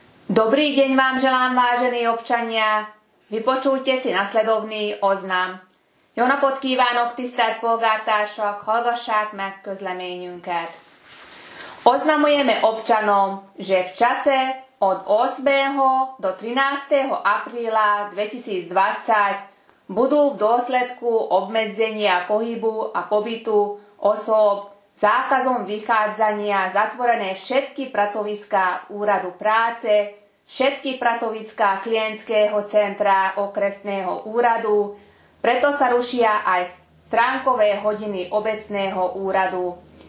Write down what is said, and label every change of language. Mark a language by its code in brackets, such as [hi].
[sk] Dobrý deň vám želám, vážení občania. Vypočujte si nasledovný oznam. [hu] Jó napot kívánok, tisztelt polgártársak, hallgassák meg közleményünket. [sk] Oznamujeme občanom, že v čase od 8. do 13. apríla 2020 budú v dôsledku obmedzenia pohybu a pobytu osôb zákazom vychádzania zatvorené všetky pracoviská úradu práce, všetky pracoviská klientského centra okresného úradu, preto sa rušia aj stránkové hodiny obecného úradu.